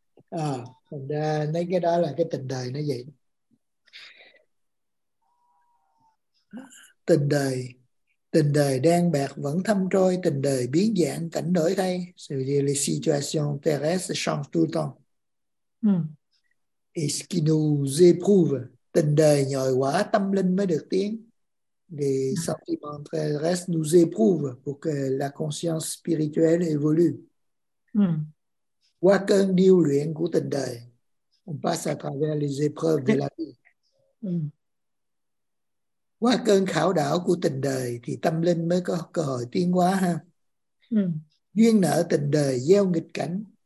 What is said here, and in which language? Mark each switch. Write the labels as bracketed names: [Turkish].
[Vietnamese] À, thành ra mấy cái đó là cái tình đời nó vậy. Tình đời đen bạc vẫn thâm trôi, tình đời biến dạng cảnh đổi thay. [French] Les situations terrestres changent tout le temps. Et ce qui nous éprouve, [Vietnamese] tình đời nhồi quả tâm linh mới được tiếng. [French] Les sentiments terrestres nous éprouvent pour que la conscience spirituelle évolue. [Vietnamese] Qua cơn điêu luyện của tình đời, [French] on passe à travers les épreuves de la vie. [Vietnamese] Qua cơn khảo đảo của tình đời thì tâm linh mới có cơ hội tiến hóa ha. Duyên nợ tình đời gieo nghịch cảnh.